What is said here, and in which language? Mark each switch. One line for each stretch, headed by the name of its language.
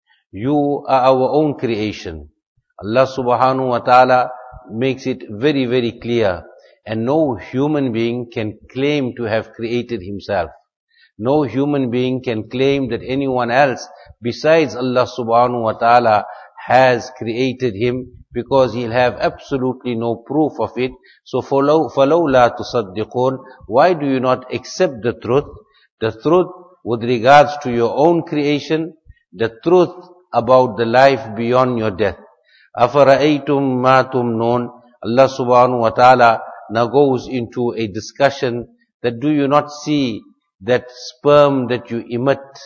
English: You are our own creation. Allah subhanahu wa ta'ala makes it very, very clear. And no human being can claim to have created himself. No human being can claim that anyone else besides Allah subhanahu wa ta'ala has created him, because he'll have absolutely no proof of it.
Arabic: So فَلَوْ لَا تُصَدِّقُونَ.
English: Why do you not accept the truth? The truth with regards to your own creation, the truth about the life beyond your death.
Arabic: أَفَرَأَيْتُمْ مَا تُمْنُونَ.
English: Allah subhanahu wa ta'ala now goes into a discussion that do you not see that sperm that you emit?